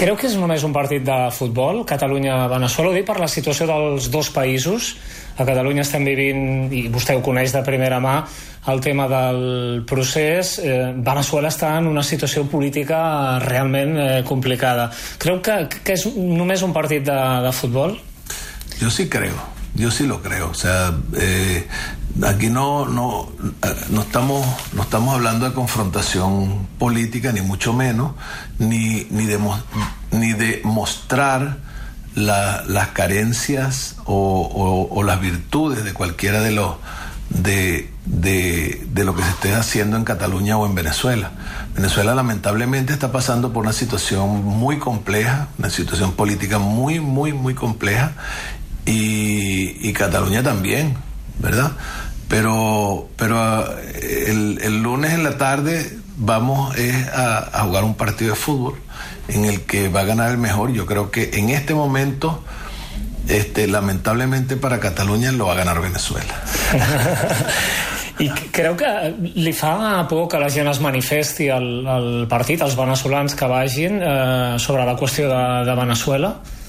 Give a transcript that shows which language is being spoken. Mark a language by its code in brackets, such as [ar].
[ca] Creo que és només un partit de futbol, Catalunya-Venezuela, ho dic per la situació dels dos països. A Catalunya estem vivint, i vostè ho coneix de primera mà, el tema del procés. Venezuela està en una situació política realment complicada. Creu que és només un partit de futbol? Jo sí creo, [es] yo sí lo creo, o sea, aquí no estamos hablando de confrontación política, ni mucho menos, ni de mostrar las carencias o las virtudes de cualquiera de lo que se esté haciendo en Cataluña o en Venezuela. Venezuela lamentablemente está pasando por una situación muy compleja, una situación política muy, muy, muy compleja, y Cataluña también, ¿verdad? Pero el lunes en la tarde vamos a jugar un partido de fútbol en el que va a ganar el mejor. Yo creo que en este momento, lamentablemente para Cataluña, lo va a ganar Venezuela. [ca] I creu que li fa por que la gent es manifesti al partit, als veneçolans que vagin, sobre la qüestió de Venezuela?